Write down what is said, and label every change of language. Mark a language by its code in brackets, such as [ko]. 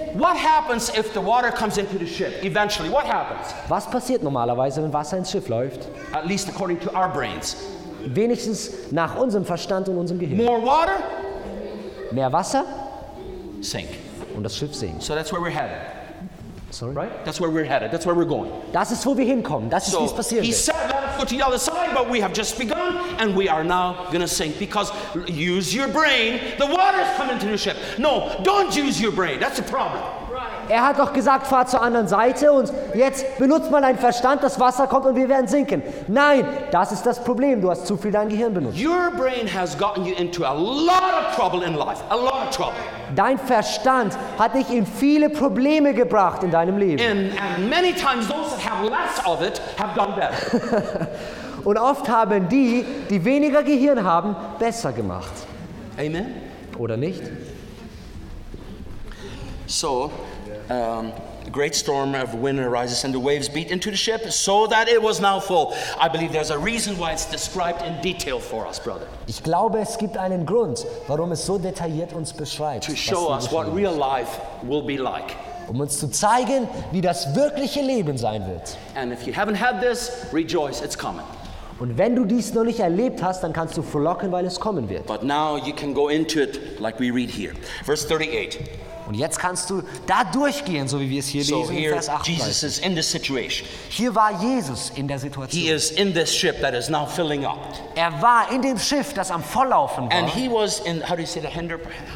[en] What happens if the water comes into the ship? Eventually, what happens? [de] Was passiert normalerweise, wenn Wasser ins Schiff läuft? [en] At least according to our brains. [de] Wenigstens nach unserem Verstand und unserem Gehirn. [en] More water? [de] Mehr Wasser? [en] Sink. [de] Und das Schiff sinkt. [en] So that's where we're headed. Sorry? Right? That's where we're headed. That's where we're going. [de] Das ist, wo wir hinkommen. Das ist, wie's passiert. [en] He said, let us go to the other side, but we have just begun, and we are now going to sink. Because use your brain, the water's coming to the ship. No, don't use your brain. That's the problem. [de] Er hat doch gesagt, fahr zur anderen Seite und jetzt benutzt mal deinen Verstand, das Wasser kommt und wir werden sinken. Nein, das ist das Problem, du hast zu viel dein Gehirn benutzt. [en] Your brain has gotten you into a lot of trouble in life, a lot of trouble. [de] Dein Verstand hat dich in viele Probleme gebracht in deinem Leben. [en] And many times those that have less of it have done better. [de] Und oft haben die, die weniger Gehirn haben, besser gemacht. [en] Amen. [de] Oder nicht? [en] So, a great storm of wind arises and the waves beat into the ship so that it was now full. I believe there's a reason why it's described in detail for us, brother. [de] Ich glaube, es gibt einen Grund, warum es so detailliert uns beschreibt. [en] To show us what real life will be like. [de] Um uns zu zeigen, wie das wirkliche Leben sein wird. [en] And if you haven't had this, rejoice, it's coming. [de] Und wenn du dies noch nicht erlebt hast, dann kannst du frohlocken, weil es kommen wird. [en] But now you can go into it like we read here. Verse 38. [de] Und jetzt kannst du da durchgehen, so wie wir es hier lesen, so Vers 8. [en] Jesus is in the situation. [de] Hier war Jesus in der Situation. [en] He is in this ship that is now filling up. [de] Er war in dem Schiff, das am Volllaufen war. [en] And he was in, how do you say the hinder part?